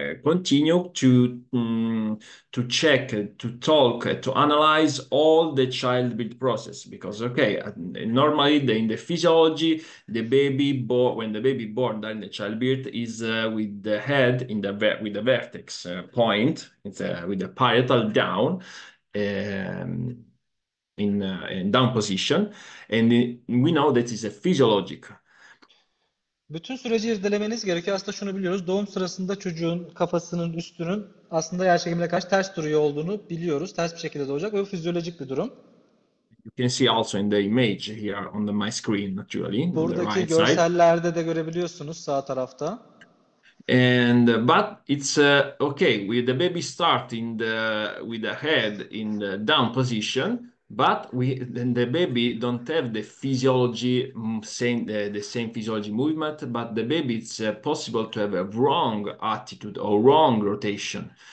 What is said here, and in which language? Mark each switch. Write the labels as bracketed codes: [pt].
[en] Continue to check, to talk, to analyze all the childbirth process because okay, normally in the physiology, the baby born when the baby born during the childbirth is with the head in the ver with the vertex point, it's with the parietal down. In down position, and we know that is a physiologic. [tr] Bütün süreci irdelemeniz gerekiyor. Aslında şunu biliyoruz. Doğum sırasında çocuğun kafasının üstünün aslında yer çekimine karşı ters duruyor olduğunu biliyoruz. Ters bir şekilde doğacak. O fizyolojik bir durum. [en] You can see also in the image here on the my screen, naturally, on the [tr] Buradaki [en] right [tr] görsellerde de görebiliyorsunuz sağ tarafta. [en] side. And but it's okay with the baby starting the with the head in the down position, but we then the baby don't have the physiology same the same physiology movement, but the baby it's possible to have a wrong attitude or wrong rotation.